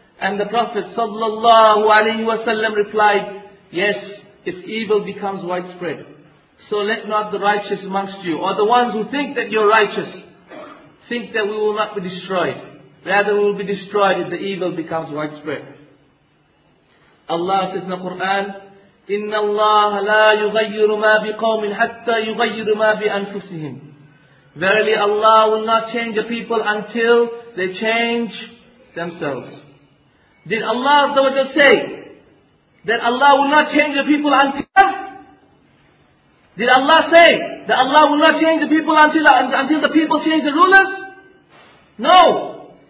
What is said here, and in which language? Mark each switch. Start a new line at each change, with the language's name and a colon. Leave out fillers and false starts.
English: And the Prophet sallallahu alaihi wasallam replied, yes, if evil becomes widespread. So let not the righteous amongst you, or the ones who think that you're righteous, think that we will not be destroyed. Rather, we will be destroyed if the evil becomes widespread.
Arabic: Allah says in the Quran, إِنَّ اللَّهَ لَا يُغَيِّرُ مَا بِقَوْمٍ حَتَّى يُغَيِّرُ مَا بِأَنفُسِهِمْ.
English: Verily, Allah will not change a people until they change themselves. Did Allah say that Allah will not change the people until? Did Allah say that Allah will not change the people until the people change the rulers? No.